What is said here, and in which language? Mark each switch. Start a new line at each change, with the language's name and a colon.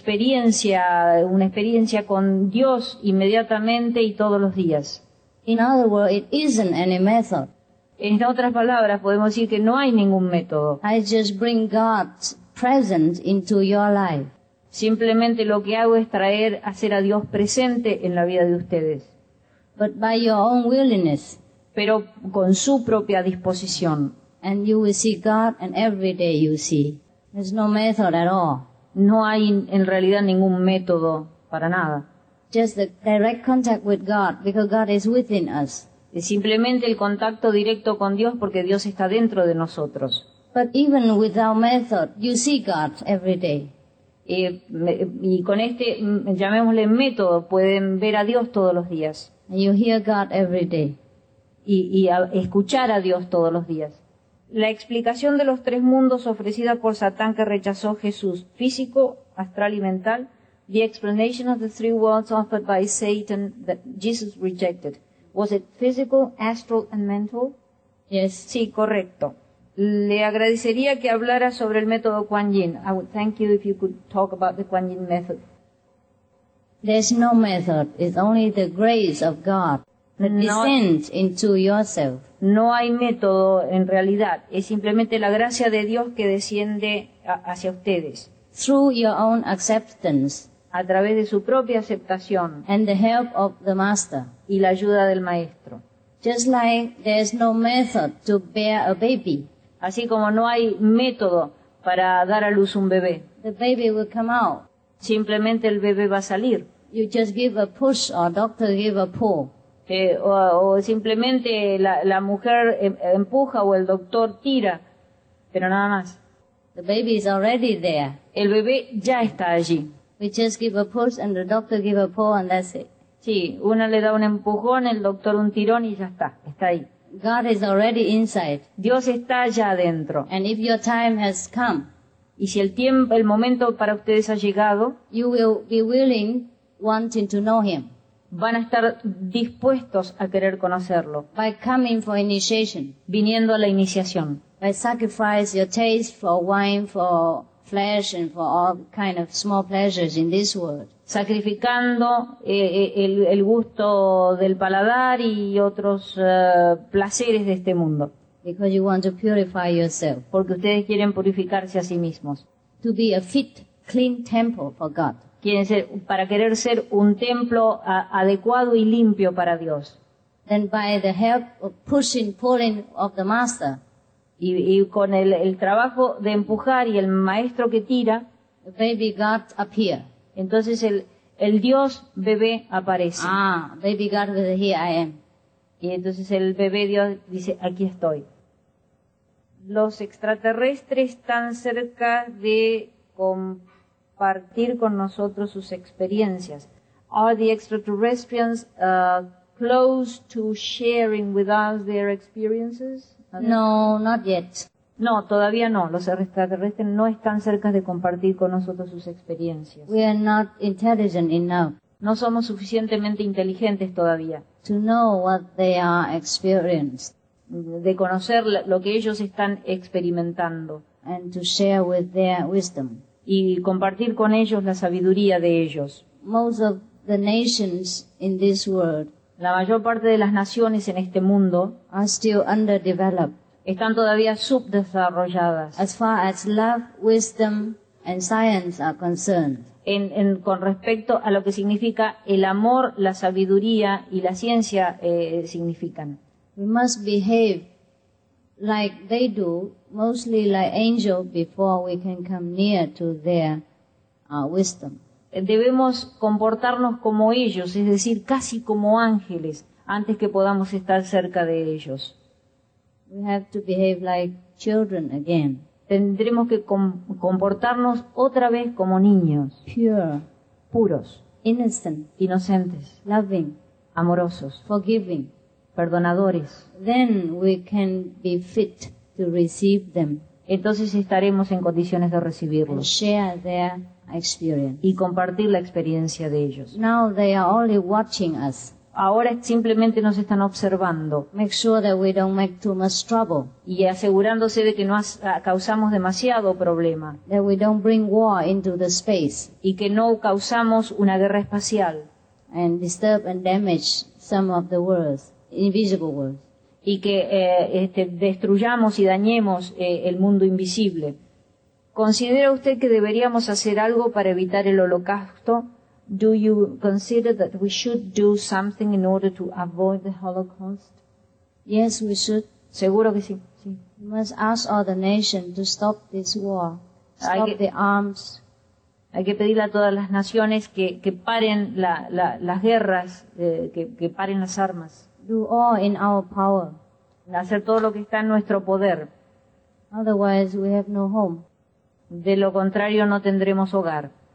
Spanish: Pero es una experiencia con Dios inmediatamente y todos los días.
English: In other words, it isn't any method.
Spanish: En otras palabras, podemos decir que no hay ningún método.
English: I just bring God's presence into your life.
Spanish: Simplemente lo que hago es hacer a Dios presente en la vida de ustedes.
English: But by your own willingness.
Spanish: Pero con su propia disposición.
English: And you will see God, and every day you see. There's no method at all.
Spanish: No hay en realidad ningún método para nada.
English: Just the direct contact with God, because God is within us.
Spanish: Es simplemente el contacto directo con Dios porque Dios está dentro de nosotros.
English: But even without method, you see God every day.
Spanish: Y con este, llamémosle método, pueden ver a Dios todos los días.
English: And you hear God every day.
Spanish: Y escuchar a Dios todos los días. La explicación de los tres mundos ofrecida por Satán que rechazó Jesús, físico, astral y mental.
English: The explanation of the three worlds offered by Satan that Jesus rejected. Was it physical, astral and mental? Yes.
Spanish: Sí, correcto. Le agradecería que hablara sobre el método Kuan Yin.
English: I would thank you if you could talk about the Kuan Yin method. There's no method. It's only the grace of God that descends into yourself.
Spanish: No hay método en realidad. Es simplemente la gracia de Dios que desciende hacia ustedes.
English: Through your own acceptance.
Spanish: A través de su propia aceptación.
English: And the help of the master.
Spanish: Y la ayuda del maestro.
English: Just like there's no method to bear a baby.
Spanish: Así como no hay método para dar a luz un bebé.
English: The baby will come out.
Spanish: Simplemente el bebé va a salir.
English: You just give a push or doctor give a pull.
Spanish: O simplemente la mujer empuja o el doctor tira, pero nada más.
English: The baby is already there.
Spanish: El bebé ya está allí.
English: We just give a push and the doctor give a pull and that's it.
Spanish: Sí, una le da un empujón, el doctor un tirón y ya está, está ahí.
English: God is already inside.
Spanish: Dios está ya adentro.
English: And if your time has come,
Spanish: y si el momento para ustedes ha llegado,
English: you will be willing wanting to know him.
Spanish: Van a estar dispuestos a querer conocerlo.
English: By coming for initiation,
Spanish: viniendo a la iniciación.
English: By sacrifice your taste for wine, for flesh and for all kind of small pleasures in this world.
Spanish: Sacrificando el gusto del paladar y otros placeres de este mundo.
English: Because you want to purify yourself.
Spanish: Porque ustedes quieren purificarse a sí mismos.
English: To be a fit, clean temple for God.
Spanish: Quieren ser, para querer ser un templo adecuado y limpio para Dios.
English: Then by the help of pushing, pulling of the master.
Spanish: Y con el trabajo de empujar y el maestro que tira,
English: the baby God appear.
Spanish: Entonces el Dios bebé aparece.
English: Ah, baby God, here I am.
Spanish: Y entonces el bebé Dios dice, aquí estoy. Los extraterrestres están cerca de compartir con nosotros sus experiencias.
English: Are the extraterrestrials close to sharing with us their experiences? No, not yet.
Spanish: No, todavía no. Los extraterrestres no están cerca de compartir con nosotros sus experiencias.
English: We are not intelligent enough.
Spanish: No somos suficientemente inteligentes todavía.
English: To know what they are experienced.
Spanish: De conocer lo que ellos están experimentando.
English: And to share with their wisdom.
Spanish: Y compartir con ellos la sabiduría de ellos.
English: Most of the nations in this world.
Spanish: La mayor parte de las naciones en este mundo
English: are still underdeveloped.
Spanish: Están todavía subdesarrolladas.
English: As far as love, wisdom, and science are concerned.
Spanish: Con respecto a lo que significa el amor, la sabiduría y la ciencia significan.
English: We must behave like they do, mostly like angels, before we can come near to their wisdom.
Spanish: Debemos comportarnos como ellos, es decir, casi como ángeles, antes que podamos estar cerca de ellos.
English: We have to behave like children again.
Spanish: Tendremos que comportarnos otra vez como niños.
English: Pure.
Spanish: Puros.
English: Innocent.
Spanish: Inocentes.
English: Loving.
Spanish: Amorosos.
English: Forgiving.
Spanish: Perdonadores.
English: Then we can be fit to receive them.
Spanish: Entonces estaremos en condiciones de recibirlos.
English: And share their experience.
Spanish: Y compartir la experiencia de ellos.
English: Now they are only watching us.
Spanish: Ahora simplemente nos están observando.
English: Make sure that we don't make too much trouble.
Spanish: Y asegurándose de que no causamos demasiado problema.
English: That we don't bring war into the space.
Spanish: Y que no causamos una guerra espacial.
English: And disturb and damage some of the worlds, invisible worlds.
Spanish: Y que destruyamos y dañemos el mundo invisible. ¿Considera usted que deberíamos hacer algo para evitar el holocausto?
English: Do you consider that we should do something in order to avoid the Holocaust? Yes, we should.
Spanish: Seguro que sí. Sí.
English: We must ask all the nations to stop this war. Stop the arms.
Spanish: Hay que pedirle a todas las naciones que paren las guerras, que paren las armas.
English: Do all in our power.
Spanish: Hacer todo lo que está en nuestro poder.
English: Otherwise, we have no home.
Spanish: De lo contrario, no tendremos hogar.